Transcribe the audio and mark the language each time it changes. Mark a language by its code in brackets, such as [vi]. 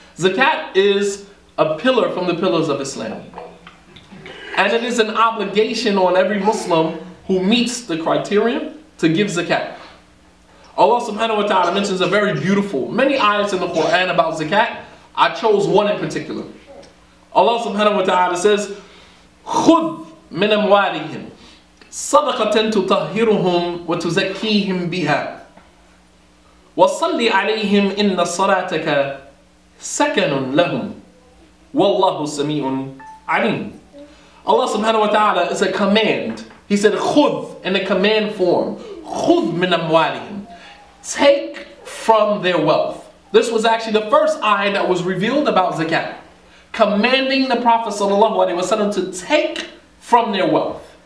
[en] Zakat is a pillar from the pillars of Islam. And it is an obligation on every Muslim who meets the criterion to give zakat. Allah subhanahu wa ta'ala mentions a very beautiful, many ayats in the Quran about zakat. I chose one in particular. [ar] Allah subhanahu wa ta'ala says, خُذْ مِنْ أَمْوَالِهِمْ صَدَقَةً تُطَهِّرُهُمْ وَتُزَكِّيهِمْ بِهَا وَصَلِّ عَلَيْهِمْ إِنَّ صَلَاتَكَ سَكَنٌ لَهُمْ وَاللَّهُ سَمِيعٌ عَلِيمٌ. [en] Allah subhanahu wa ta'ala is a command. He said khudh in a command form. [ar] Khudh min amwalihim. [en] Take from their wealth. This was actually the first ayah that was revealed about zakat. Commanding the Prophet sallallahu alaihi wasallam to take from their wealth.